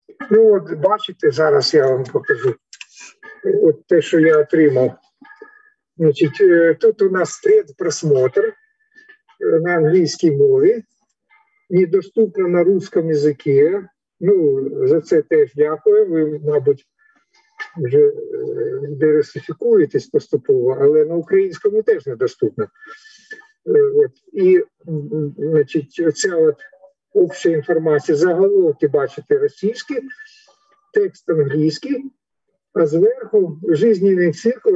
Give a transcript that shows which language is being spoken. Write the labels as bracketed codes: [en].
[uk] Ну, от бачите, зараз я вам покажу. От те, що я отримав. Значить, тут у нас тред просмотр на англійській мові. [ru] Недоступно на русском языке. [uk] Ну, за це теж дякую. Ви, мабуть, вже диверсифікуєтесь поступово, але на українському теж недоступно. От. І, значить, оця от обща інформація. Заголовки бачите російські, текст англійський, а зверху жизненний цикл.